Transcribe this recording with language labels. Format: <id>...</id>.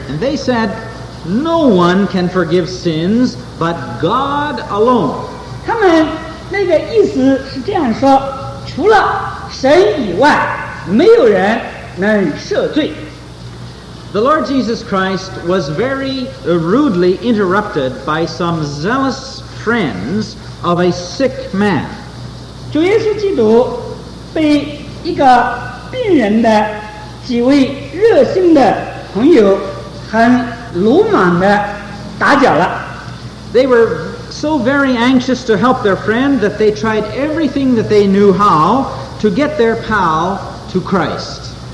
<en>And they said, No one can forgive sins but God alone.</en> <zh>他们那个意思是这样说,除了神以外,没有人能赦罪。</zh> <en>The Lord Jesus Christ was very rudely interrupted by some zealous friends of a sick man.</en> <zh>主耶稣基督被一个病人的几位热心的朋友很鲁莽地打搅了。</zh> <en>They were so very anxious to help their friend that they tried everything that they knew how to get their pal to Christ.</en>